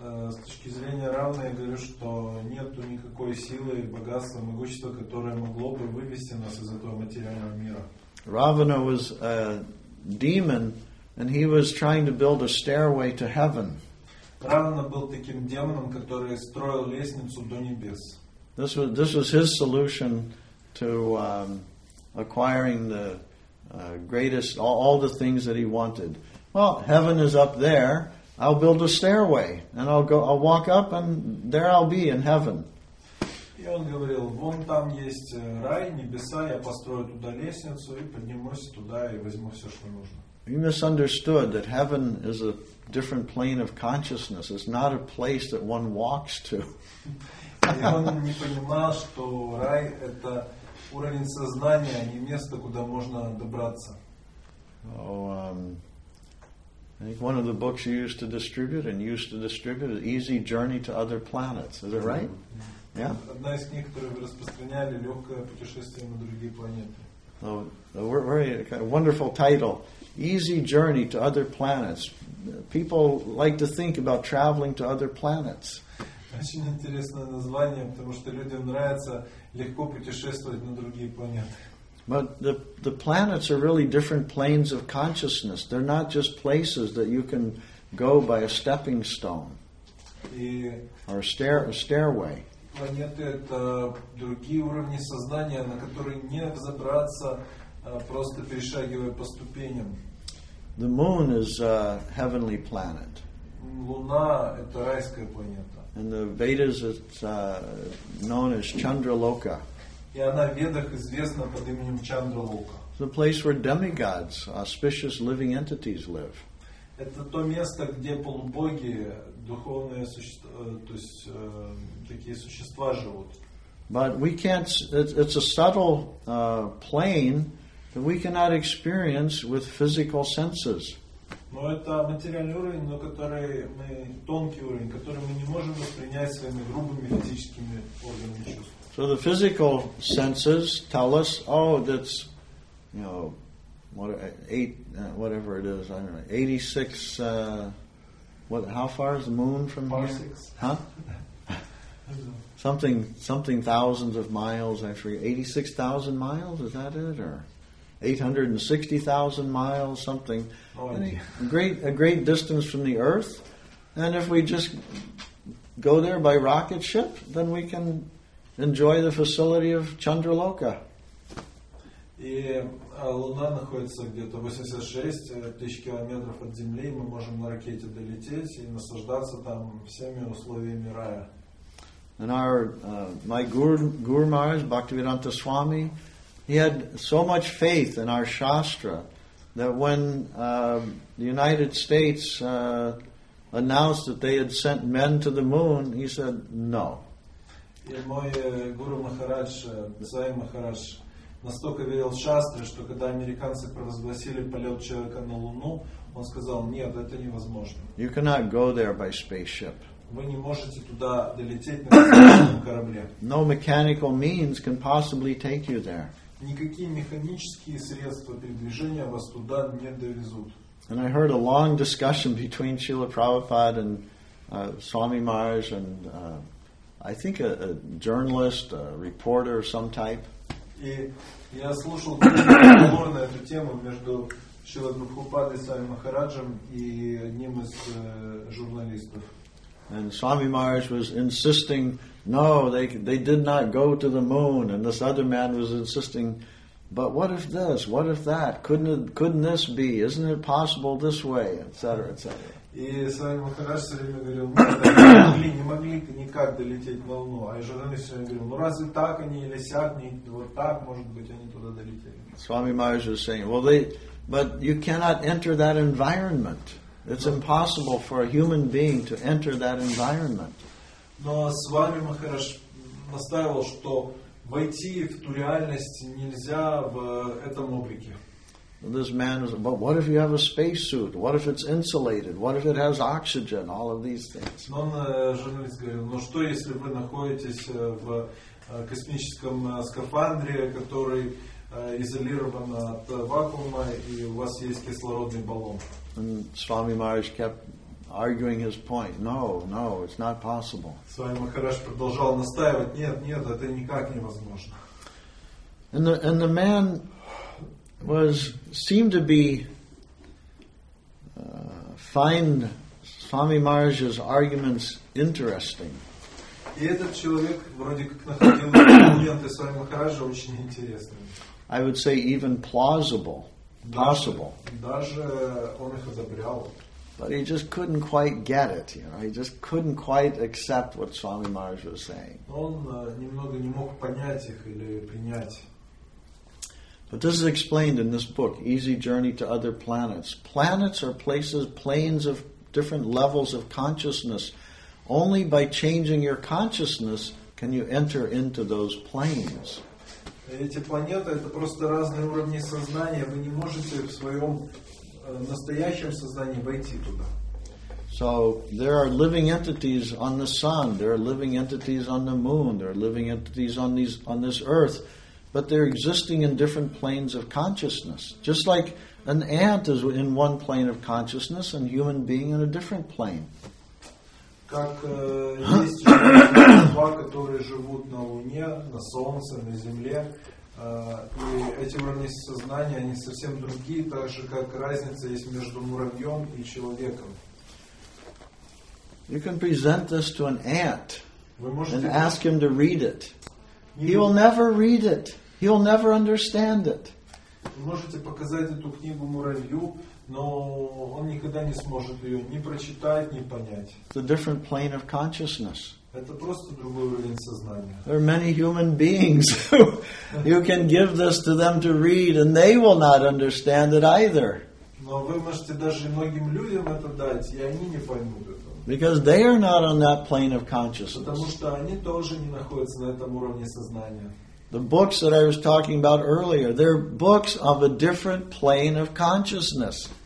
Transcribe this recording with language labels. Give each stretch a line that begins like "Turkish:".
Russian: С точки зрения Равана, я говорю, что нет никакой силы, богатства, могущества, которое могло бы вывести нас из этого материального мира.
English: Равана was a demon, and he was trying to build a stairway to heaven.
Russian: Равана был таким демоном, который строил лестницу до небес.
English: This was his solution to acquiring the greatest, all the things that he wanted. Well, heaven is up there. I'll build a stairway, and I'll go. I'll walk up, and there I'll be in heaven.
Russian: И он говорил, вон там есть рай, небеса, я построю туда лестницу и поднимусь туда и возьму все, что нужно.
English: He misunderstood that heaven is a different plane of consciousness. It's not a place that one walks to.
Russian: И он не понимал, что рай — это уровень сознания, не место, куда можно добраться.
English: I think one of the books you used to distribute and used to distribute is Easy Journey to Other Planets. Is it right?
Russian: Одна из книг, которую вы распространяли, «Легкое путешествие на другие планеты».
English: Oh, a very kind of wonderful title. Easy Journey to Other Planets. People like to think about traveling to other planets.
Russian: Очень интересное название, потому что людям нравится легко путешествовать на другие планеты.
English: But the planets are really different planes of consciousness. They're not just places that you can go by a stepping stone or a stairway.
Russian: Планеты — это другие уровни сознания, на которые не взобраться, просто перешагивая по ступеням.
English: The moon is a heavenly planet.
Russian: Луна — это райская планета.
English: And the Vedas, it's known as Chandraloka.
Russian: И она в Ведах известна под именем Чандралока.
English: It's the place where demigods, auspicious living entities live.
Russian: Это то место, где полубоги, духовные существа, то есть такие существа живут.
English: But we can't, it's a subtle plane that we cannot experience with physical senses.
Russian: Но это материальный уровень, но который мы, тонкий уровень, который мы не можем воспринять своими грубыми физическими органами чувств.
English: So the physical senses tell us, oh, that's, you know, what, eight, whatever it is, I don't know, 86, what, how far is the moon from here? Parsecs. Huh? something thousands of miles, I forget, 86,000 miles, is that it? Or 860,000 miles, something. A great distance from the Earth. And if we just go there by rocket ship, then we can enjoy the facility of Chandraloka.
Russian: И Луна находится где-то 86,000 километров от Земли, мы можем на ракете долететь и наслаждаться там всеми условиями рая.
English: And our my guru Maharaj Bhaktivedanta Swami, he had so much faith in our shastra that when the United States announced that they had sent men to the moon, he said no.
Russian: И мой гуру Махарадж, Сай Махарадж, настолько верил в шастры, что когда американцы провозгласили полет человека на Луну, он сказал, нет, это невозможно.
English: You cannot go there by spaceship.
Russian: Вы не можете туда долететь на космическом корабле.
English: No mechanical means can possibly take you there.
Russian: Никакие механические средства передвижения вас туда не довезут.
English: And I heard a long discussion between Srila Prabhupada and Swami Maharaj and I think a journalist, a reporter of some type.
Russian: И я слушал разговор на эту тему между Шрила Прабхупадой, Свами Махараджем и одним из журналистов.
English: And Swami Maharaj was insisting, no, they did not go to the moon. And this other man was insisting, but what if this? What if that? Couldn't this be? Isn't it possible this way? Etc. Etc.
Russian: И Свами Махарадж все время говорил, не могли никак долететь на Луну. А и журналист все время говорил, ну разве так они или сяк, не вот так, может быть, они туда долетели.
English: Swami Maharaj was saying, well, but you cannot enter that environment. It's impossible for a human being to enter that environment.
Russian: Но Свами Махарадж настаивал, что войти в ту реальность нельзя в этом облике.
English: This man was, but what if you have a space suit? What if it's insulated? What if it has oxygen? All of these things.
Russian: Он журналист говорил, но что если вы находитесь в космическом скафандре, который изолирован от вакуума, и у вас есть кислородный баллон?
English: And Swami Maharaj kept arguing his point. No, it's not possible.
Russian: Свами Махарадж продолжал настаивать, нет, это никак невозможно.
English: And the man seemed to be find Swami Maharaj's arguments interesting.
Russian: И этот человек вроде как находил аргументы своего Махараджа очень интересные.
English: I would say even plausible, possible.
Russian: Даже он их одобрял.
English: But he just couldn't quite get it, you know. He just couldn't quite accept what Swami Maharaj was saying.
Russian: Он немного не мог понять их или принять.
English: But this is explained in this book, Easy Journey to Other Planets. Planets are places, planes of different levels of consciousness. Only by changing your consciousness can you enter into those planes.
Russian: Эти планеты — это просто разные уровни сознания. Вы не можете в своем настоящем сознании войти туда.
English: So there are living entities on the sun, there are living entities on the moon, there are living entities on these on this earth. But they're existing in different planes of consciousness. Just like an ant is in one plane of consciousness and human being in a different plane.
Russian: Как есть существа, которые живут на Луне, на Солнце, на Земле, и эти уровни сознания, они совсем другие, так же как разница есть между муравьем и человеком.
English: You can present this to an ant and ask him to read it. He will never read it. He'll never understand it.
Russian: Вы можете показать эту книгу муравью, но он никогда не сможет ее ни прочитать, ни понять.
English: It's a different plane of consciousness.
Russian: Это просто другой уровень сознания.
English: There are many human beings who you can give this to them to read, and they will not understand it either.
Russian: Но вы можете даже многим людям это дать, и они не поймут это.
English: Because they are not on that plane of consciousness.
Russian: Потому что они тоже не находятся на этом уровне сознания.
English: The books that I was talking about earlier, they're books of a different plane of consciousness.